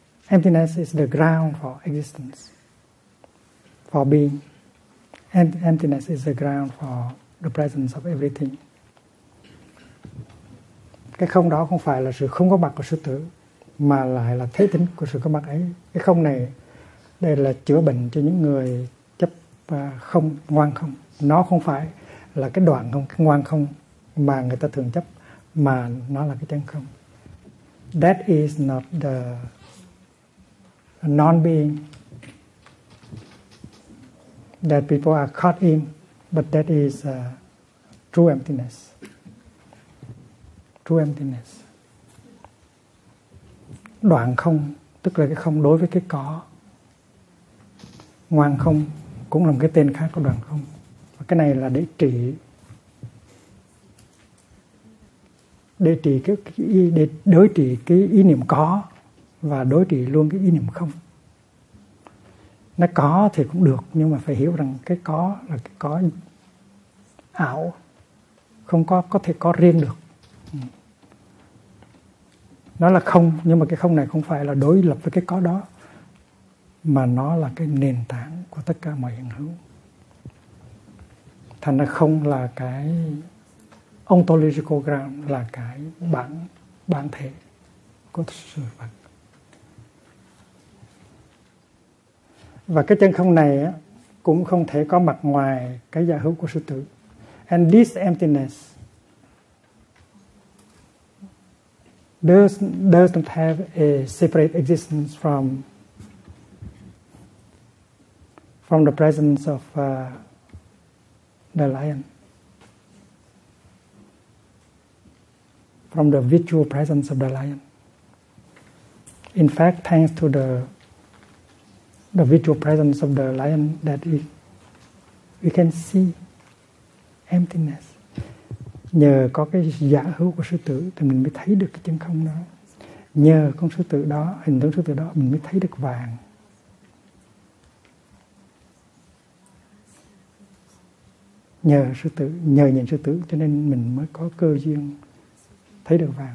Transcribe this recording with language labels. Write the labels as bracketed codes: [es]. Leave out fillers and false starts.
[en] Emptiness is the ground for existence, for being. And emptiness is the ground for the presence of everything. [vi] Cái không đó không phải là sự không có mặt của sư tử, mà lại là thế tính của sự có mặt ấy. Cái không này, đây là chữa bệnh cho những người chấp không, ngoan không. Nó không phải là cái đoạn không, cái ngoan không mà người ta thường chấp, mà nó là cái chân không. [en] That is not the non-being that people are caught in, but that is true emptiness. True emptiness. [vi] Đoạn không, tức là cái không đối với cái có. Ngoan không cũng là một cái tên khác của đoạn không. Và cái này là để trị, để trị cái, để đối trị cái ý niệm có và đối trị luôn cái ý niệm không. Nó có thì cũng được, nhưng mà phải hiểu rằng cái có là cái có ảo, không có, có thể có riêng được. Nó là không, nhưng mà cái không này không phải là đối lập với cái có đó, mà nó là cái nền tảng của tất cả mọi hiện hữu. Thành ra không là cái [en] ontological ground, [vi] là cái bản thể của sự vật. Và cái chân không này cũng không thể có mặt ngoài cái giả hữu của sư tử. [en] And this emptiness doesn't have a separate existence from the presence of the lion, from the virtual presence of the lion. In fact, thanks to the virtual presence of the lion, that we can see emptiness. [vi] Nhờ có cái giả hữu của sư tử thì mình mới thấy được cái chân không đó. Nhờ con sư tử đó, hình tướng sư tử đó, mình mới thấy được vàng. Nhờ sư tử, nhờ nhìn sư tử, cho nên mình mới có cơ duyên thấy được vàng.